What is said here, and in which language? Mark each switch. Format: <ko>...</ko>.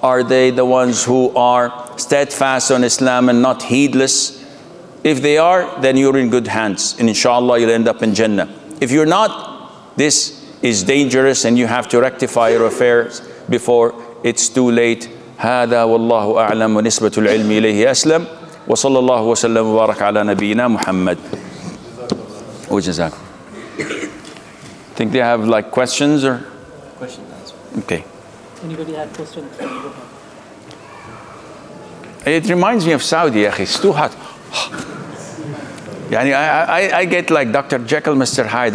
<en>Are they the ones who are steadfast on Islam and not heedless? If they are, then you're in good hands, and inshallah, you'll end up in Jannah. If you're not, this is dangerous, and you have to rectify your affairs before it's too late.</en> <ar>هذا والله أعلم ونسبة العلم إليه أسلم وصلى الله وسلم وبارك على نبينا محمد. وجزاكم.</ar> <en>Think they have like questions or? Question answer. Okay. Anybody have questions? It reminds me of Saudi,</en> <ar>أخي.</ar> <en>It's too hot. I get like Dr. Jekyll, Mr. Hyde.</en>